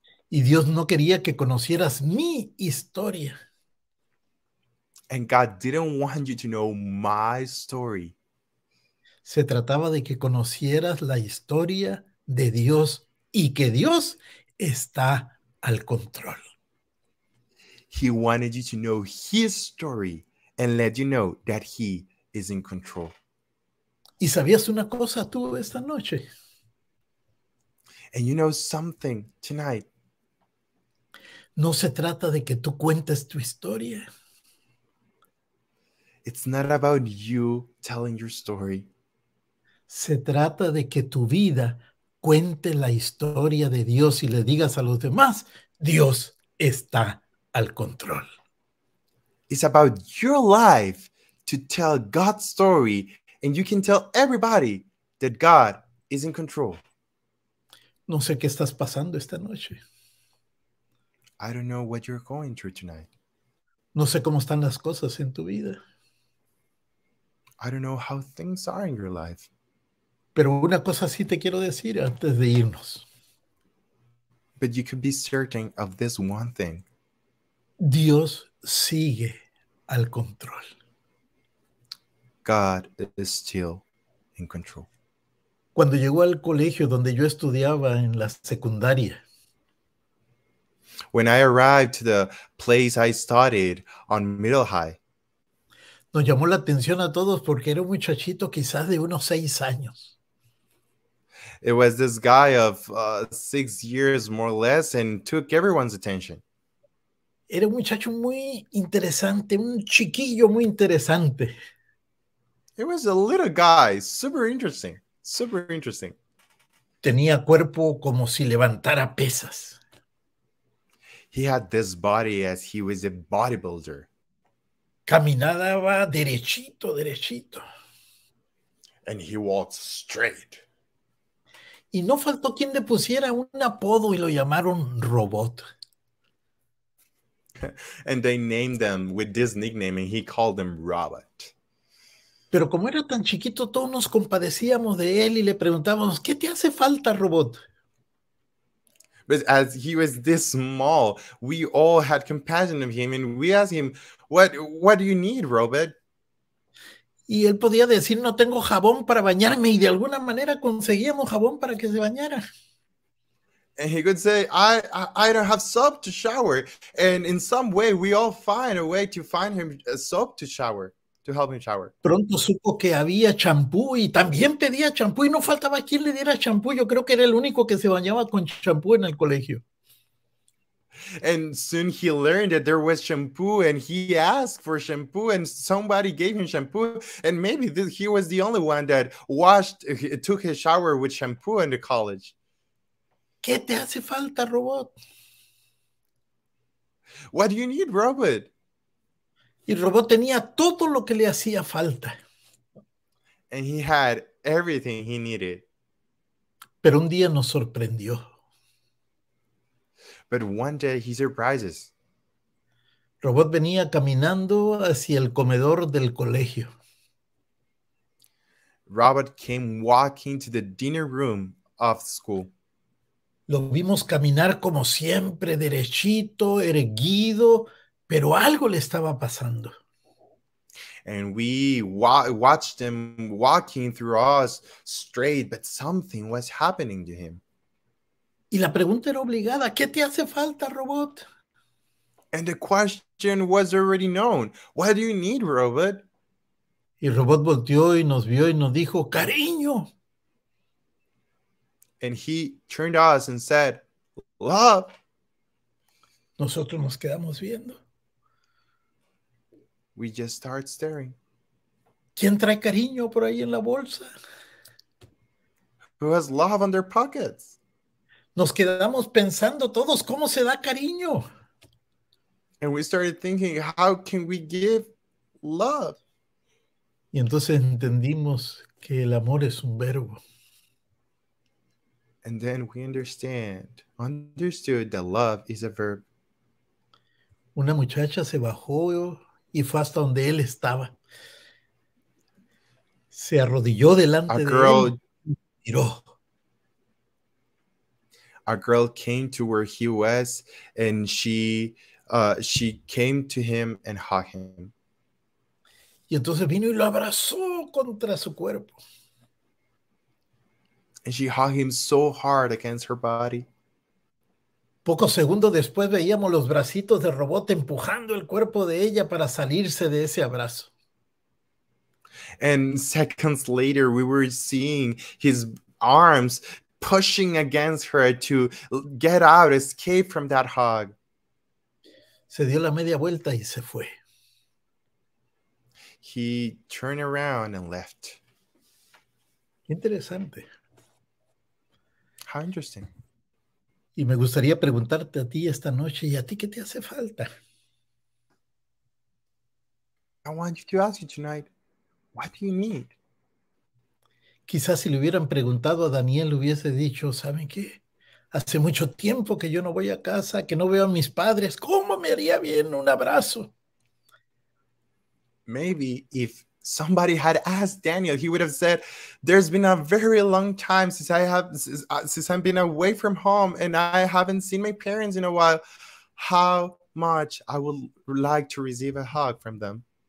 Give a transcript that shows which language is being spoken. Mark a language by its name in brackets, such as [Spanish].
[Spanish] Y Dios no quería que conocieras mi historia. [English] And God didn't want you to know my story. [Spanish] Se trataba de que conocieras la historia de Dios y que Dios está al control. [English] He wanted you to know his story and let you know that he is in control. [Spanish] ¿Y sabías una cosa tú esta noche? [English] And you know something tonight. [Spanish] No se trata de que tú cuentes tu historia. [English] It's not about you telling your story. [Spanish] Se trata de que tu vida cuente la historia de Dios y le digas a los demás, Dios está al control. [English] It's about your life to tell God's story and you can tell everybody that God is in control. [Spanish] No sé qué estás pasando esta noche. [English] I don't know what you're going through tonight. [Spanish] No sé cómo están las cosas en tu vida. [English] I don't know how things are in your life. [Spanish] Pero una cosa sí te quiero decir antes de irnos. [English] But you can be certain of this one thing. [Spanish] Dios sigue al control. [English] God is still in control. [Spanish] Cuando llegó al colegio donde yo estudiaba en la secundaria. [English] When I arrived to the place I studied on middle high. [Spanish] Nos llamó la atención a todos porque era un muchachito quizás de unos 6 años. [English] It was this guy of 6 years more or less and took everyone's attention. [Spanish] Era un muchacho muy interesante, un chiquillo muy interesante. [English] It was a little guy, super interesting, super interesting. [Spanish] Tenía cuerpo como si levantara pesas. [English] He had this body as he was a bodybuilder. [Spanish] Caminaba derechito, derechito. [English] And he walked straight. [Spanish] Y no faltó quien le pusiera un apodo y lo llamaron Robot. [English] And they named them with this nickname and he called them Robot. [Spanish] Pero como era tan chiquito, todos nos compadecíamos de él y le preguntábamos, ¿qué te hace falta, Robot? [English] but as he was this small, we all had compassion of him, and we asked him, what do you need, Robert? [Spanish] Y él podía decir, no tengo jabón para bañarme, y de alguna manera conseguíamos jabón para que se bañara. [English] And he could say, I don't have soap to shower. And in some way, we all find a way to find him a soap to shower, to help him shower. [Spanish] Pronto supo que había champú y también pedía champú y no faltaba quien le diera champú. Yo creo que era el único que se bañaba con champú en el colegio. [English] And soon he learned that there was shampoo and he asked for shampoo and somebody gave him shampoo. And maybe he was the only one that washed, took his shower with shampoo in the college. [Spanish] ¿Qué te hace falta, robot? [English] What do you need, robot? [Spanish] Y robot tenía todo lo que le hacía falta. [English] And he had everything he needed. [Spanish] Pero un día nos sorprendió. [English] But one day he surprises. [Spanish] Robot venía caminando hacia el comedor del colegio. [English] Robot came walking to the dinner room of school. [Spanish] Lo vimos caminar como siempre, derechito, erguido, pero algo le estaba pasando. [English] And we watched him walking through us straight, but something was happening to him. [Spanish] Y la pregunta era obligada, ¿qué te hace falta, robot? [English] And the question was already known, what do you need, robot? [Spanish] Y robot volteó y nos vio y nos dijo, cariño. [English] And he turned to us and said, love. [Spanish] Nosotros nos quedamos viendo. [English] We just start staring. [Spanish] ¿Quién trae cariño por ahí en la bolsa? [English] Who has love on their pockets? [Spanish] Nos quedamos pensando todos, ¿cómo se da cariño? [English] And we started thinking, how can we give love? [Spanish] Y entonces entendimos que el amor es un verbo. [English] And then we understood that love is a verb. [Spanish] Una muchacha se bajó y fue hasta donde él estaba. Se arrodilló delante de él y miró. [English] A girl came to where he was and she came to him and hugged him. [Spanish] Y entonces vino y lo abrazó contra su cuerpo. [English] And she hugged him so hard against her body. [Spanish] Pocos segundos después veíamos los bracitos de robot empujando el cuerpo de ella para salirse de ese abrazo. [English] And seconds later we were seeing his arms pushing against her to get out, escape from that hug. [Spanish] Se dio la media vuelta y se fue. [English] He turned around and left. [Spanish] Interesante. [English] How interesting. [Spanish] Y me gustaría preguntarte a ti esta noche, ¿y a ti qué te hace falta? [English] I want you to ask you tonight, what do you need? [Spanish] Quizás si le hubieran preguntado a Daniel, le hubiese dicho, ¿saben qué? Hace mucho tiempo que yo no voy a casa, que no veo a mis padres. ¿Cómo me haría bien un abrazo? [English] Maybe if somebody had asked Daniel, he would have said, there's been a very long time since I've been away from home and I haven't seen my parents in a while. How much I would like to receive a hug from them.